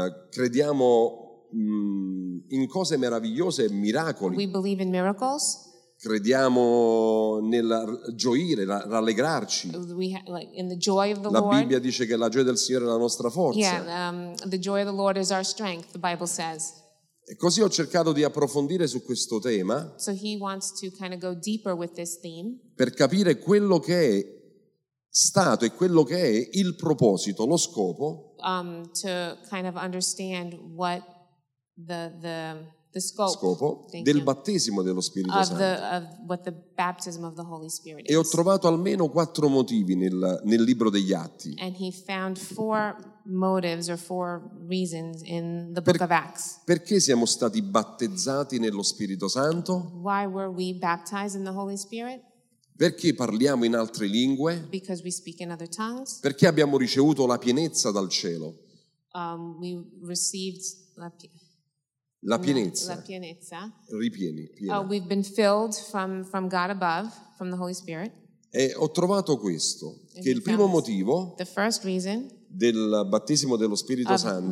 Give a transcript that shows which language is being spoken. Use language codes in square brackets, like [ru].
[it] Crediamo in cose meravigliose, miracoli. [en] We believe in miracles. [it] Crediamo nel gioire, rallegrarci. La Bibbia dice che la gioia del Signore è la nostra forza. [en] Yeah, the joy of the Lord is our strength, the Bible says. [it] E così ho cercato di approfondire su questo tema. [en] So he wants to kind of go deeper with this theme. [it] Per capire quello che è stato e quello che è il proposito, lo scopo. [en] To kind of understand what the scope, [it] scopo del battesimo dello Spirito [en] of [it] Santo. [en] Of what the baptism of the Holy Spirit is. [it] E ho trovato almeno quattro motivi nel libro degli Atti. [en] And he found four motives or four reasons in the book of Acts. [it] Perché siamo stati battezzati nello Spirito Santo? [en] Why were we baptized in the Holy Spirit? [it] Perché parliamo in altre lingue? [en] Because we speak in other tongues. [it] Perché abbiamo ricevuto la pienezza dal cielo? [en] We received [it] La pienezza. Ripieni. [en] We've been filled from God above, from the Holy Spirit. [it] E ho trovato questo, che il primo motivo del battesimo dello Spirito Santo,